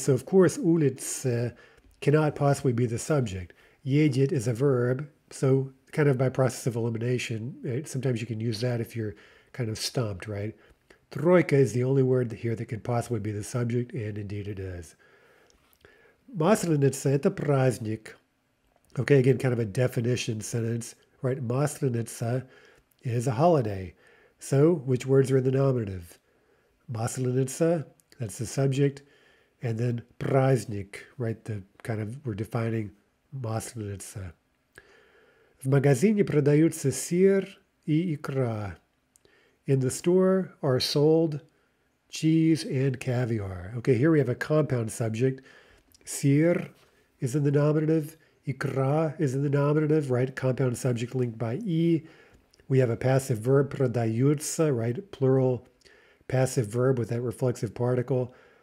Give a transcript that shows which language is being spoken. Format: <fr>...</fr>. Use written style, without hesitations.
<en>So of course, улице cannot possibly be the subject. Едет is a verb, so kind of by process of elimination, right? Sometimes you can use that if you're kind of stumped, right? Тройка is the only word here that could possibly be the subject, and indeed it is.</en> <ru>Масленица – это праздник.</ru> <en>Okay, again, kind of a definition sentence, right? Масленица is a holiday. So, which words are in the nominative? Масленица, that's the subject. And then праздник, right? The kind of, we're defining Масленица.</en> <ru>В магазине продаются сыр и икра.</ru> <en>In the store are sold cheese and caviar. Okay, here we have a compound subject. Сыр is in the nominative. Икра is in the nominative, right? Compound subject linked by и. We have a passive verb, продаются, right? Plural passive verb with that reflexive particle.</en>